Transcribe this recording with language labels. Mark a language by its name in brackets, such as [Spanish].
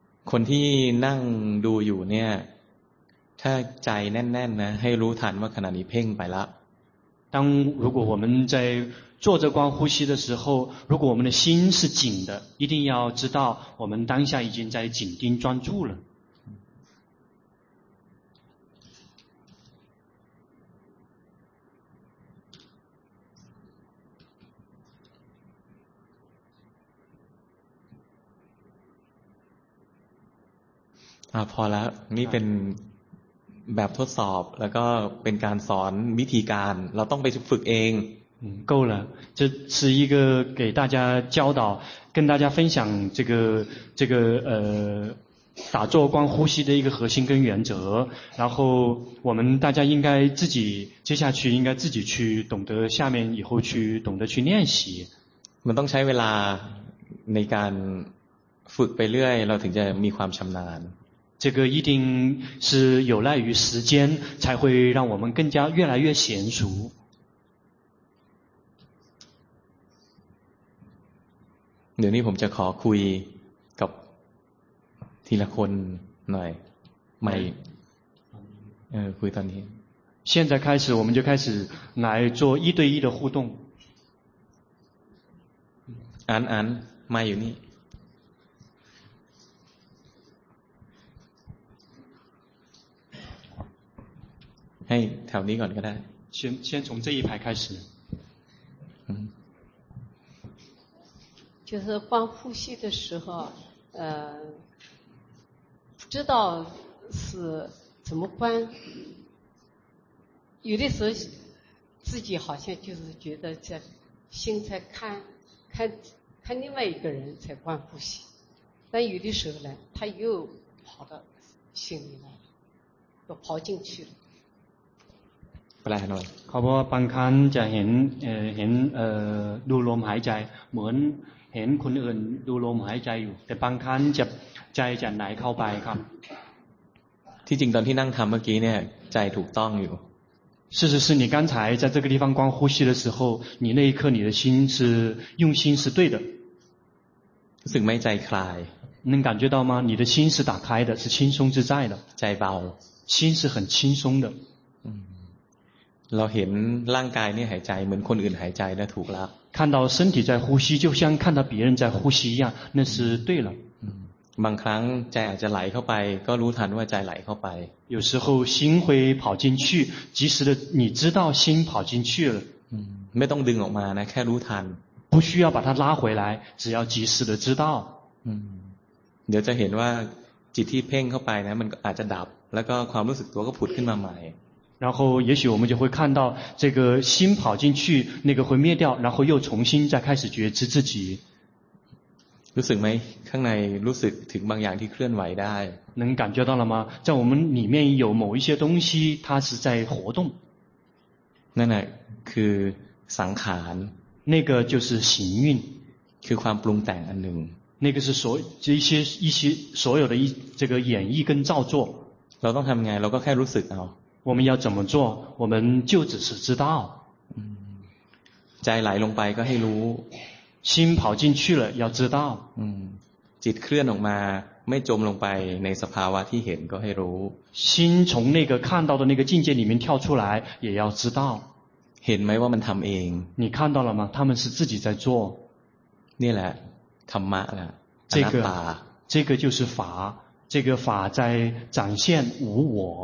[Thai] คนที่นั่งดูอยู่เนี่ยถ้าใจแน่นๆนะให้รู้ทันว่าขณะนี้เพ่งไปแล้ว [Chinese] 当如果我们在坐着观呼吸的时候如果我们的心是紧的一定要知道我们当下已经在紧盯专注了 [Thai] พอแล้วนี่เป็นแบบทดสอบแล้วก็เป็นการสอนวิธีการเราต้องไปฝึกเอง [Chinese] 够了这是一个给大家教导跟大家分享这个打坐观呼吸的一个核心跟原则然后我们大家应该自己接下去应该自己去懂得下面以后去懂得去练习 [Thai] มันต้องใช้เวลาในการฝึกไปเรื่อยเราถึงจะมีความชำนาญ [Chinese] 这个一定是有赖于时间才会让我们更加越来越娴熟 [Thai] เดี๋ยวนี้ผมจะขอคุยกับทีละคนหน่อยใหม่คุยตอนนี้ [Chinese] 现在开始我们就开始来做一对一的互动 [Thai] อันมาอยู่นี่ ให้แถวนี้ก่อนก็ได้ [Chinese] 先从这一排开始就是观呼吸的时候不知道是怎么观有的时候自己好像就是觉得在心在看另外一个人在观呼吸但有的时候呢他又跑到心里来了又跑进去了 เ [Thai] ขาบอกว่าบางครั้งจะเห็นดูลมหายใจเหมือนเห็นคนอื่นดูลมหายใจอยู่แต่บางครั้งจะใจจะไหนเข้าไปครับ ที่จริงตอนที่นั่งทำเมื่อกี้เนี่ยใจถูกต้องอยู่ [Chinese] 是你刚才在这个地方光呼吸的时候你那一刻你的心是用心是对的 [Thai] รู้สึกไม่ใจคลาย [Chinese] 能感觉到吗你的心是打开的是轻松自在的 [Thai] ใจเบา [Chinese] 心是很轻松的 [Thai] เราเห็นร่างกายนี่หายใจเหมือนคนอื่นหายใจนะถูกแล้ว [Chinese] 看到身体在呼吸就像看到别人在呼吸一样那是对了 [Thai] บางครั้งใจอาจจะไหลเข้าไปก็รู้ทันว่าใจไหลเข้าไป [Chinese] 有时候心会跑进去及时的你知道心跑进去了 [Thai] ไม่ต้องดึงออกมานะแค่รู้ทัน [Chinese] 不需要把它拉回来只要及时的知道 [Thai] เดี๋ยวจะเห็นว่าจิตที่เพ่งเข้าไปนะมันอาจจะดับแล้วก็ความรู้สึกตัวก็ผุดขึ้นมาใหม่ [Chinese] 然后也许我们就会看到这个心跑进去那个会灭掉然后又重新再开始觉知自己 [Thai] รู้สึกไหมข้างในรู้สึกถึงบางอย่างที่เคลื่อนไหวได้ [Chinese] 能感觉到了吗在我们里面有某一些东西它是在活动 [Thai] นั่นแหละคือสังขาร [Chinese] 那个就是行运 [Thai] คือความปรุงแต่งอันหนึ่ง [Chinese] 那个是所这一些所有的这个演绎跟造作 [Thai] เราต้องทำไงเราก็แค่รู้สึกเอา [Chinese] 我们要怎么做我们就只是知道在来龙白个黑炉心跑进去了要知道 [Thai] จิตเคลื่อนออกมาไม่จมลงไปในสภาวะที่เห็นก็ให้รู้ [Chinese] 心从那个看到的那个境界里面跳出来也要知道 [Thai] เห็นไหมว่ามันทำเอง [Chinese] 你看到了吗他们是自己在做 [Thai] นี่แหละธรรมะแหละ [Chinese] 这个就是法这个法在展现无我